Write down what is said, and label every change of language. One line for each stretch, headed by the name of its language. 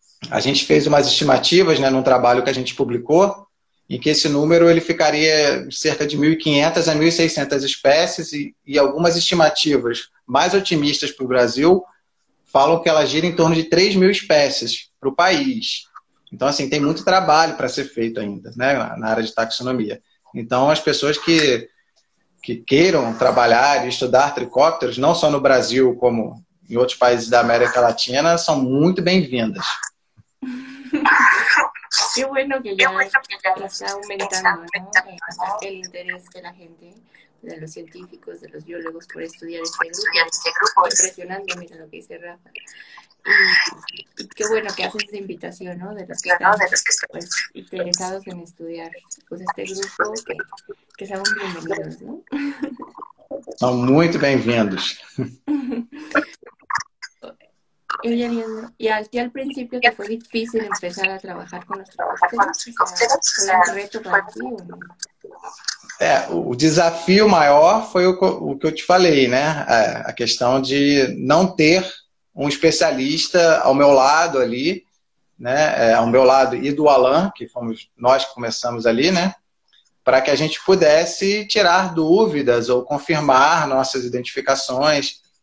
Portuguese: A gente fez umas estimativas, né, num trabalho que a gente publicou, em que esse número ele ficaria cerca de 1.500 a 1.600 espécies, e algumas estimativas mais otimistas para o Brasil falam que ela gira em torno de 3 mil espécies para o país. Então, assim, tem muito trabalho para ser feito ainda, né, na área de taxonomia. Então, as pessoas que queiram trabalhar e estudar tricópteros, não só no Brasil, como em outros países da América Latina, são muito bem-vindas.
Spanish: Qué bueno que ya está aumentando, ¿no?, el interés de la gente, de los científicos, de los biólogos por estudiar este grupo. Impresionante, mira lo que dice Rafa. Y qué bueno que haces esa invitación, ¿no?, de los que están, pues, interesados en estudiar pues este grupo, que sean bienvenidos, ¿no? Son muy bienvenidos. Y al principio, que fue difícil empezar a trabajar con los tricópteros, ¿fue un reto para ti o no?
Portuguese: O desafio maior foi o que eu te falei, né? A questão de não ter um especialista ao meu lado ali, né? Ao meu lado e do Alan, que fomos nós que começamos ali, né? Para que a gente pudesse tirar dúvidas ou confirmar nossas identificações.